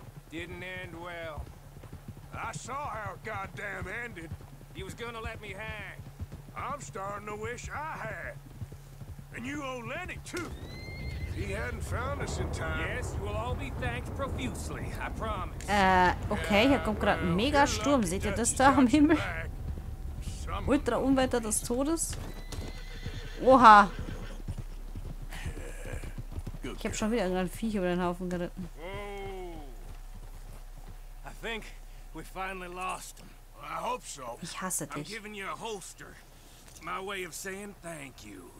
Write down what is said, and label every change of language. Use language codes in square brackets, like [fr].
[en] Didn't end well. I saw how it goddamn ended. He was gonna let me hang. I'm starting to wish I had. And you owe Lenny, too. If he hadn't found us in time. Yes, you will all be thanked profusely, I promise. [de] Okay, hier kommt gerade ein Megasturm. Seht ihr das da am Himmel? Ultra Unwetter des Todes? Oha! Ich habe schon wieder ein Viech über den Haufen geritten. [en] I think we finally lost him. I hope so. [de] Ich hasse dich. [en] I'm giving you a holster. My way of saying thank you.